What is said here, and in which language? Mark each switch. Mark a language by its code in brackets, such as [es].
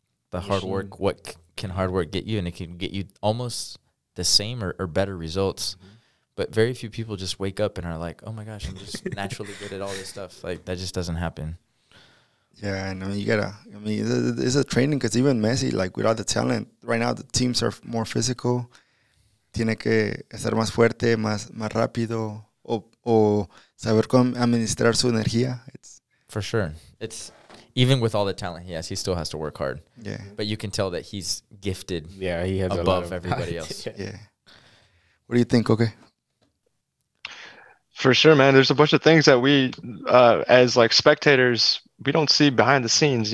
[en] The hard work, what can hard work get you? And it can get you almost the same or better results. Mm-hmm. But very few people just wake up and are like, oh my gosh, I'm just naturally good at all this stuff. Like that just doesn't happen. Yeah, and I mean, you gotta, I mean, it's a training because even Messi, like, with all the talent, right now the teams are more physical. [es] Tiene que estar más fuerte, más rápido, o saber cómo administrar su energía. [en] It's for sure. It's even with all the talent he has, he still has to work hard. Yeah. But you can tell that he's gifted. Yeah, he has above everybody else. Yeah. What do you think, Coke? For sure, man. There's a bunch of things that we, as like spectators, we don't see behind the scenes.